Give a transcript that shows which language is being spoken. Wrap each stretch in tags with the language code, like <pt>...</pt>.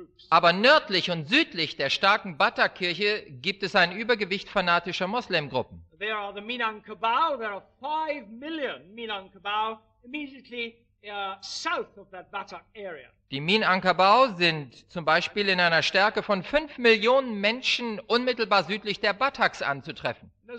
<de>Aber nördlich und südlich der starken Batta-Kirche gibt es ein Übergewicht fanatischer Moslemgruppen.</de> <en>There are the Minangkabau, there are 5 million Minangkabau immediately south of that Batta area.</en> <de>Die Minangkabau sind zum Beispiel in einer Stärke von 5 Millionen Menschen unmittelbar südlich der Bataks anzutreffen.</de>